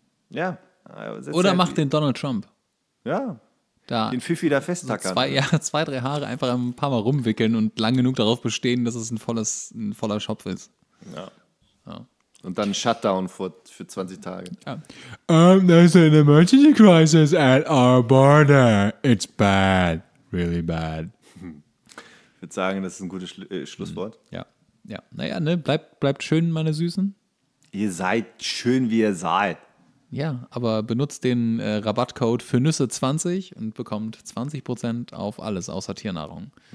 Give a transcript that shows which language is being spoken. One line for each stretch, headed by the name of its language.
German: Ja. Oder macht den Donald Trump. Ja. Da den Fifi da festtackern. So zwei, drei Haare einfach ein paar Mal rumwickeln und lang genug darauf bestehen, dass es ein voller Schopf ist. Ja. Ja. Und dann Shutdown für 20 Tage. Ja.
English: There's an emergency crisis at our border. It's bad. Really bad.
German: Ich würde sagen, das ist ein gutes Schlusswort. Ja. Ja. Naja, ne? Bleibt schön, meine Süßen. Ihr seid schön, wie ihr seid. Ja, aber benutzt den Rabattcode für Nüsse 20 und bekommt 20% auf alles außer Tiernahrung.